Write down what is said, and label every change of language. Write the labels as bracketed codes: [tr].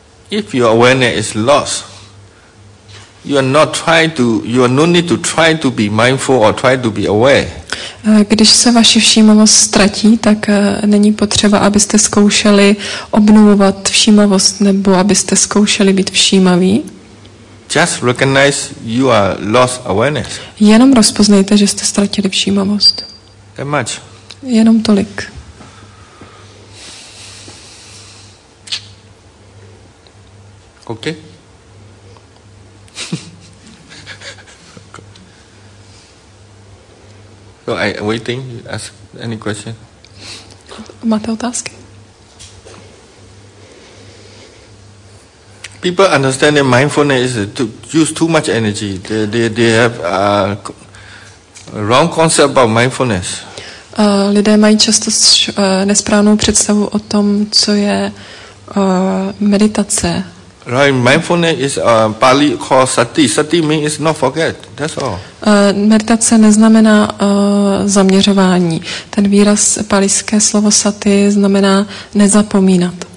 [en] If your awareness is lost, you are no need to try to be mindful or try to be aware. [cs] Když se vaše všímavost ztratí, tak není potřeba, abyste zkoušeli obnovovat všímavost nebo abyste zkoušeli být všímaví. [en] Just recognize you are lost awareness. [cs] Jenom rozpoznejte, že jste ztratili všímavost. [en] That much. [cs] Jenom tolik. [en] Okay. So I waiting. Ask any question. [cs] Máte otázky? [en] People understand that mindfulness is to use too much energy. They have a wrong concept about mindfulness. [cs] Lidé mají často nesprávnou představu o tom, co je meditace. [en] Right, mindfulness is a Pali called sati. Sati means not forget. That's all. [cs] Meditace neznamená zaměřování. Ten výraz palijské slovo sati znamená nezapomínat.